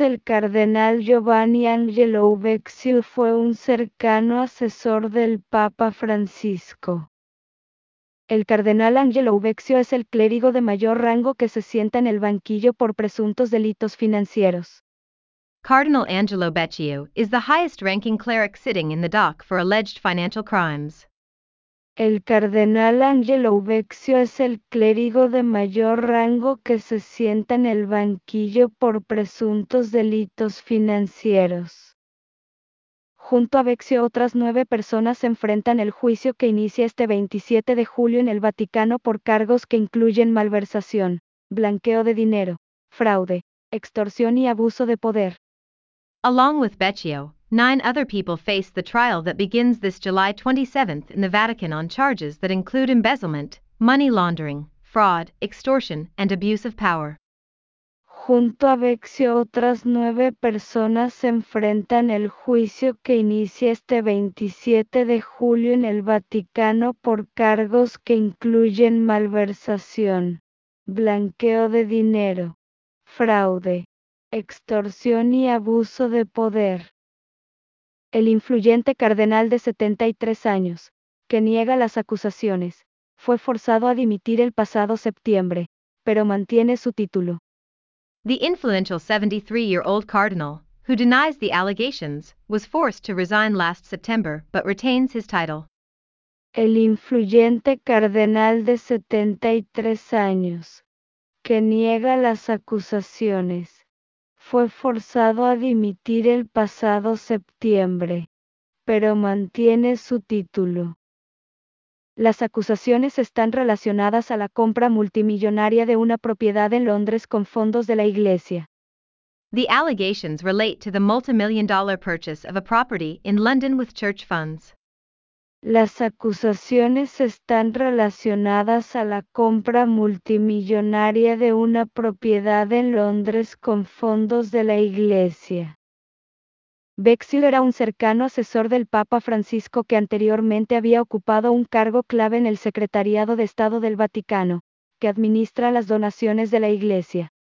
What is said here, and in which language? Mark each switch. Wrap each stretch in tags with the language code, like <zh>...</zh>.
<es>El cardenal Giovanni Angelo Ubexil fue un cercano asesor del Papa Francisco. El cardenal Angelo Ubexio es el clérigo de mayor rango que se sienta en el banquillo por presuntos delitos financieros.</es> <en>Cardinal Angelo Becciu is the highest ranking cleric sitting in the dock for alleged financial crimes.</en> <es>El cardenal Angelo Ubexio es el clérigo de mayor rango que se sienta en el banquillo por presuntos delitos financieros. Junto a Becciu, otras 9 personas se enfrentan el juicio que inicia este 27 de julio en el Vaticano por cargos que incluyen malversación, blanqueo de dinero, fraude, extorsión y abuso de poder.</es> <en>Along with Becciu, 9 other people face the trial that begins this July 27th in the Vatican on charges that include embezzlement, money laundering, fraud, extortion, and abuse of power.</en> <es>Junto a Becciu, otras 9 personas se enfrentan el juicio que inicia este 27 de julio en el Vaticano por cargos que incluyen malversación, blanqueo de dinero, fraude, extorsión y abuso de poder. El influyente cardenal de 73 años, que niega las acusaciones, fue forzado a dimitir el pasado septiembre, pero mantiene su título.</es> <en>The influential 73-year-old cardinal, who denies the allegations, was forced to resign last September but retains his title.</en> <es>El influyente cardenal de 73 años, que niega las acusaciones, fue forzado a dimitir el pasado septiembre, pero mantiene su título. Las acusaciones están relacionadas a la compra multimillonaria de una propiedad en Londres con fondos de la Iglesia.</es> <en>The allegations relate to the multimillion dollar purchase of a property in London with church funds.</en> <es>Las acusaciones están relacionadas a la compra multimillonaria de una propiedad en Londres con fondos de la Iglesia. Becciu era un cercano asesor del Papa Francisco que anteriormente había ocupado un cargo clave en el Secretariado de Estado del Vaticano, que administra las donaciones de la Iglesia.</es>